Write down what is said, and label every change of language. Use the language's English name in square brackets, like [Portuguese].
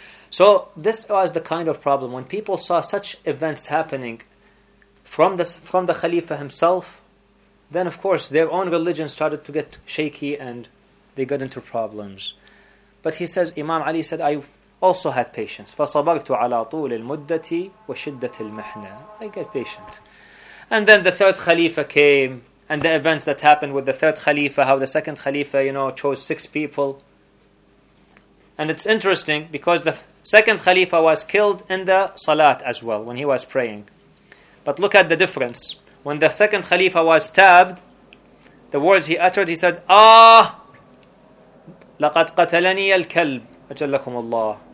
[English] So this was the kind of problem. When people saw such events happening from the Khalifa himself, then of course their own religion started to get shaky and they got into problems. But he says, Imam Ali said, I also had patience. [Arabic] فَصَبَرْتُ عَلَى طُولِ الْمُدَّةِ وَشِدَّةِ الْمِحْنَةِ. [English] I get patient. And then the third Khalifa came, and the events that happened with the third Khalifa, how the second Khalifa, you know, chose six people. And it's interesting because the second Khalifa was killed in the Salat as well, when he was praying. But look at the difference. When the second Khalifa was stabbed, the words he uttered, he said, "Ah, [Arabic] لَقَدْ قَتَلَنِيَ الْكَلْبِ أَجَلَّكُمُ اللَّهِ."